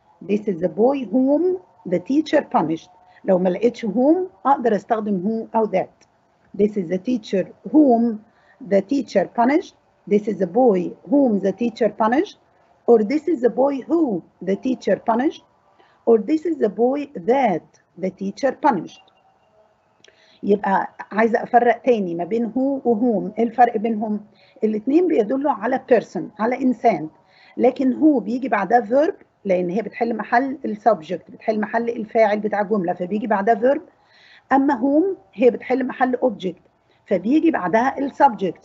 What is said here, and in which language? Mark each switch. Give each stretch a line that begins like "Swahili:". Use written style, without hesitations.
English: this is the boy whom the teacher punished.
Arabic: لو ما لقيتش هوم اقدر استخدم هو او ذات.
English: This is the teacher whom the teacher punished. This is the boy whom the teacher punished. Or this is the boy who the teacher punished. Or this is the boy that the teacher punished.
Arabic: يبقى عايزة أفرق تاني ما بين who و whom. إيه الفرق بينهم؟ الاتنين بيدلوا على person، على إنسان. لكن who بيجي بعدها verb، لأن هي بتحل محل السبجكت، بتحل محل الفاعل بتاع جملة، فبيجي بعدها verb. اما هوم هي بتحل محل اوبجكت، فبيجي بعدها السبجكت.